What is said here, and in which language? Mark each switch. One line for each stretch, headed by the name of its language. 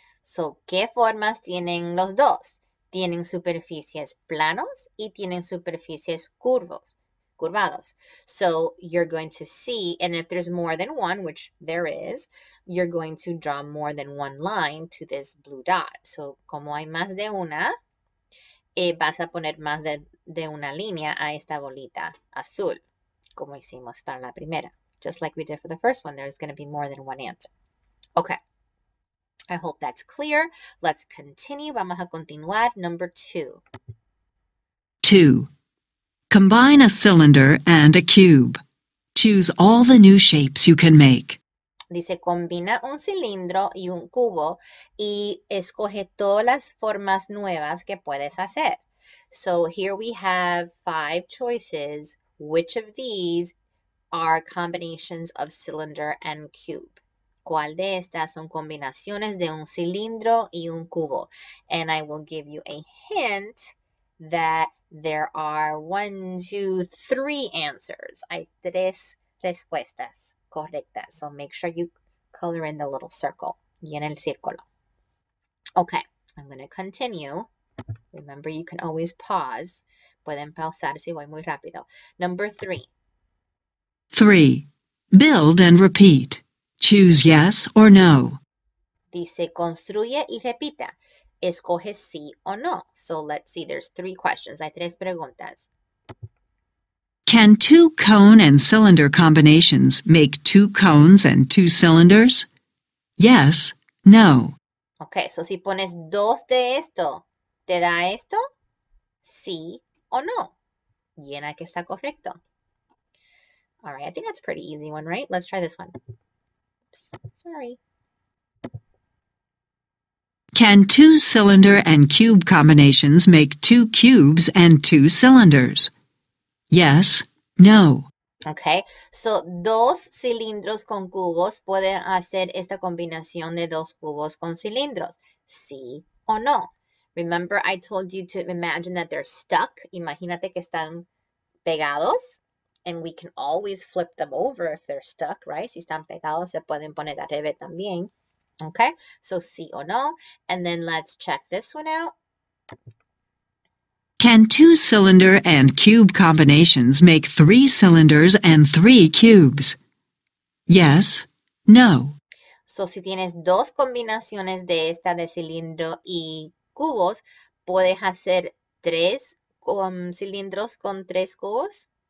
Spanish: So, ¿qué formas tienen los dos? Tienen superficies planos y tienen superficies curvados.
English: So, you're going to see, and if there's more than one, which there is, you're going to draw more than one line to this blue dot.
Spanish: So, como hay más de una, vas a poner más de una línea a esta bolita azul, como hicimos para la primera.
English: Just like we did for the first one, there's going to be more than one answer. Okay. I hope that's clear. Let's continue.
Spanish: Vamos a continuar.
English: Number 2. 2. Combine a cylinder and a cube. Choose all the new shapes you can make.
Spanish: Dice, combina un cilindro y un cubo y escoge todas las formas nuevas que puedes hacer.
English: So here we have 5 choices. Which of these are combinations of cylinder and cube?
Spanish: ¿Cuál de estas son combinaciones de un cilindro y un cubo?
English: And I will give you a hint that there are 1, 2, 3 answers.
Spanish: Hay 3 respuestas correctas.
English: So make sure you color in the little circle.
Spanish: Y en el círculo.
English: Okay, I'm going to continue. Remember, you can always pause.
Spanish: Pueden pausar si voy muy rápido.
English: Number 3. 3. Build and repeat. Choose yes or no.
Spanish: Dice, construye y repita. Escoge sí o no.
English: So let's see, there's 3 questions.
Spanish: Hay 3 preguntas.
English: Can 2 cone and cylinder combinations make 2 cones and 2 cylinders? Yes, no.
Spanish: Okay, so si pones 2 de esto, ¿te da esto? Sí o no. Llena que está correcto.
English: All right, I think that's a pretty easy one, right? Let's try this one. Oops, sorry. Can 2 cylinder and cube combinations make 2 cubes and 2 cylinders? Yes, no.
Spanish: Okay, so dos cilindros con cubos pueden hacer esta combinación de dos cubos con cilindros. Sí o no.
English: Remember, I told you to imagine that they're stuck.
Spanish: Imagínate que están pegados.
English: And we can always flip them over if they're stuck, right?
Spanish: Si están pegados, se pueden poner al revés también.
English: Okay, so
Spanish: sí o no.
English: And then let's check this one out. Can two cylinder and cube combinations make three cylinders and three cubes? Yes, no.
Spanish: So, si tienes dos combinaciones de esta de cilindro y cubos, ¿puedes hacer tres cilindros con tres cubos?